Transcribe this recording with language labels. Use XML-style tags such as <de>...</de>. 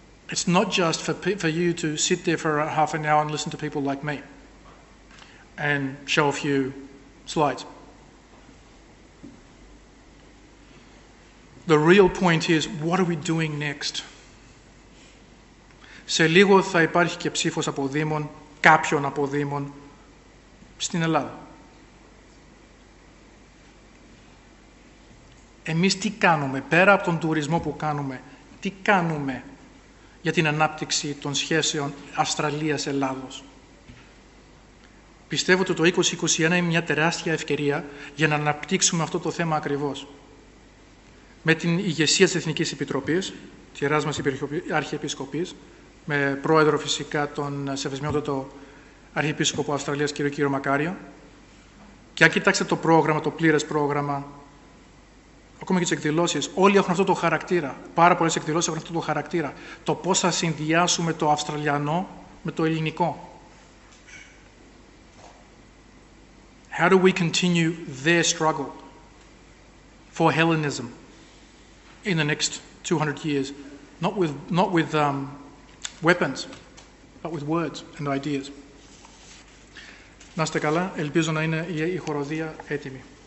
<en>It's not just for you to sit there for half an hour and listen to people like me and show a few slides. The real point is, what are we doing next?</en> <el>Σε λίγο θα υπάρχει και ψήφος αποδήμων, κάποιων αποδήμων, στην Ελλάδα. Εμείς τι κάνουμε, πέρα από τον τουρισμό που κάνουμε, τι κάνουμε για την ανάπτυξη των σχέσεων Αυστραλίας-Ελλάδος? Πιστεύω ότι το 2021 είναι μια τεράστια ευκαιρία για να αναπτύξουμε αυτό το θέμα ακριβώς. Με την ηγεσία της Εθνικής Επιτροπής, της Ιεράς μας Αρχιεπισκοπής, με πρόεδρο φυσικά τον Σεβασμιότατο Αρχιεπίσκοπο Αυστραλίας, κύριο Μακάριο. Και αν κοιτάξετε το πρόγραμμα, το πλήρες πρόγραμμα, ακόμα και τις εκδηλώσεις, όλοι έχουν αυτό το χαρακτήρα. Πάρα πολλές εκδηλώσεις έχουν αυτό το χαρακτήρα. Το πώς θα συνδυάσουμε το Αυστραλιανό με το ελληνικό.</el> <en>How do we continue their struggle for Hellenism in the next 200 years? Not with weapons, but with words and ideas.</en> <el>Να είστε καλά. Ελπίζω να είναι η χοροδία έτοιμη.</el>